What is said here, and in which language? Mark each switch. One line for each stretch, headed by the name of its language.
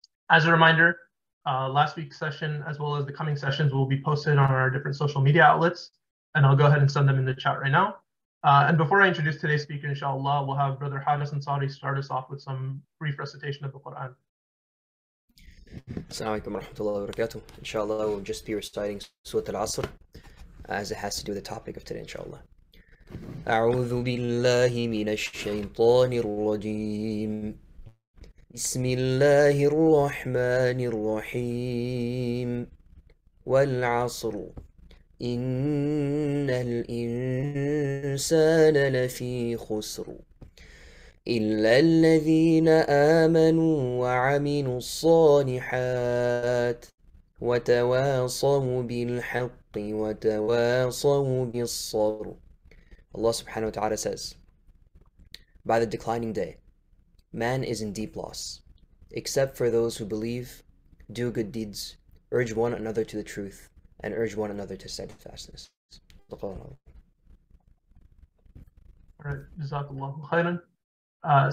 English: As a reminder, last week's session, as well as the coming sessions, will be posted on our different social media outlets, and I'll go ahead and send them in the chat right now. And before I introduce today's speaker, inshallah, we'll have Brother Haris Ansari start us off with some brief recitation of the Quran.
Arabic: Assalamu alaikum wa rahmatullahi wa barakatuh.
English: Inshallah, we'll just be reciting Surah Al-Asr, as it has to do with the topic of today, inshallah.
Arabic: أعوذ بالله من الشيطان الرجيم بسم الله الرحمن الرحيم والعصر إن الإنسان لفي خسر إلا الذين آمنوا وعملوا الصالحات وتواصوا بالحق وتواصوا بالصبر.
English: Allah subhanahu wa ta'ala says, by the declining day, man is in deep loss, except for those who believe, do good deeds, urge one another to the truth, and urge one another to steadfastness. All right, Jazakallahu khairan.